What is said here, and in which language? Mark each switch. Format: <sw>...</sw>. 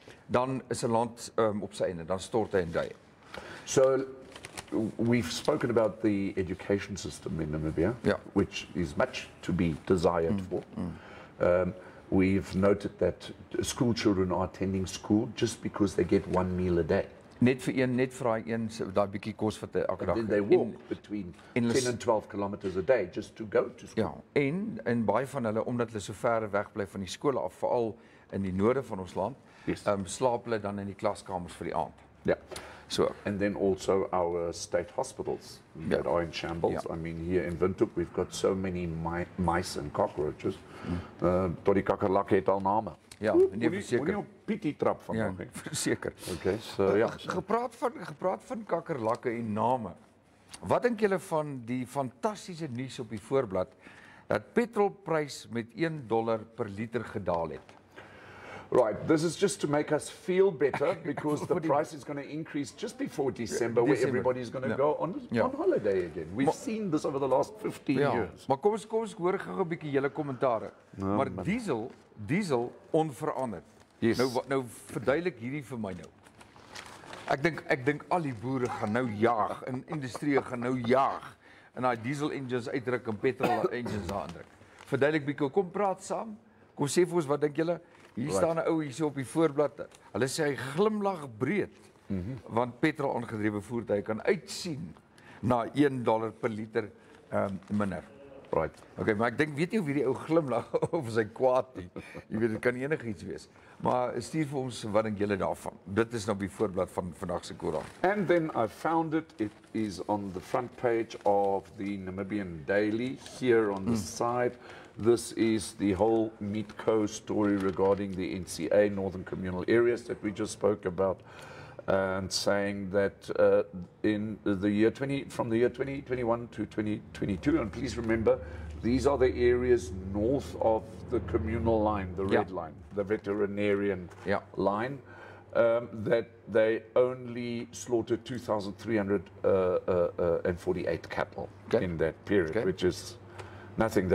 <af>Dan is 'n land op sy einde, dan stort hy in duie.</af> <en>So we've spoken about the education system in Namibia, which is much to be desired for. We've noted that school children are attending school just because they get one meal a day.</en> <af>Net vir daai een daai bietjie kos vir elke dag.</af> <en>And they walk between 10 and 12 kilometers a day just to go to school.</en> <af>Ja, en baie van hulle omdat hulle so ver weg bly van die skool af, veral in die noorde van ons land, slaap hulle dan in die klaskamers vir die aand. Ja.</af> <en>So, and then also our state hospitals that are in shambles. Yeah. I mean, here in Windhoek, we've got so many mice and cockroaches.</en> <af>Tot die kakkerlak het al name. Ja, nee, verseker. Moet nie op Pietie trap van ja, verseker.</af> <en>Okay, so, ja.</en> <af>Gepraat van kakkerlakke en name. Wat denk julle van die fantastiese nuus op die voorblad, dat petrolprys met $1 per liter gedaal het?</af> <en>Right, this is just to make us feel better because the price is going to increase just before December where everybody is going to go on holiday again. We've seen this over the last 15 years.</en> <af>Maar kom ons hoor gou 'n bietjie julle kommentaar. Maar diesel onveranderd.</af> <en>Yes.</en> <af>Nou verduidelik hierdie vir my nou. Ek dink al die boere gaan nou jaag en industrie gaan nou jaag en daai diesel engines uitdruk en petrol engines aandruk. Verduidelik bietjie, kom praat saam. Kom sê vir ons wat dink julle? Hier staan 'n ou hierso op die voorblad. Hulle sê hy glimlag breed. Mm-hmm. Want petrol aangedrewe voertuie kan uitsien na $1 per liter minder.</af> <en>Right.</en> <af>Okay, maar ek dink weet nie of hierdie ou glimlag of sy kwaad nie. Jy weet dit kan enigiets wees. Maar stuur vir ons wat dink julle daarvan? Dit is nou op die voorblad van vandag se koerant.</af> <en>And then I found it is on the front page of the Namibian Daily here on the side. This is the whole Meatco story regarding the NCA, Northern Communal Areas, that we just spoke about, and saying that from the year 2021 to 2022, and please remember, these are the areas north of the communal line, the red line, the veterinarian line, that they only slaughtered 2,348 cattle in that period, which is nothing.</en>